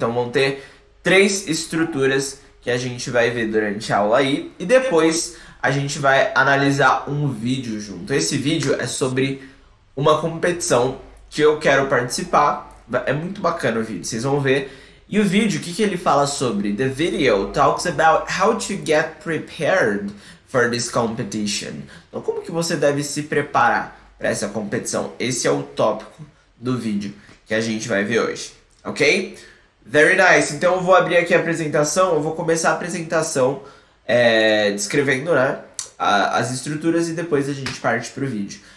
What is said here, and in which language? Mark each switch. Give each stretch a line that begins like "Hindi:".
Portuguese: Então vão ter três estruturas que a gente vai ver durante a aula aí, e depois a gente vai analisar um vídeo junto. Esse vídeo é sobre uma competição que eu quero participar. É muito bacana o vídeo, vocês vão ver. E o vídeo, o que que ele fala sobre?
English: The video talks about how to get prepared for this competition.
Portuguese: Então, como que você deve se preparar para essa competição? Esse é o tópico do vídeo que a gente vai ver hoje, ok?
English: Very nice.
Portuguese: Então eu vou abrir aqui a apresentação. Eu vou começar a apresentação descrevendo, né, as estruturas e depois a gente parte para o vídeo.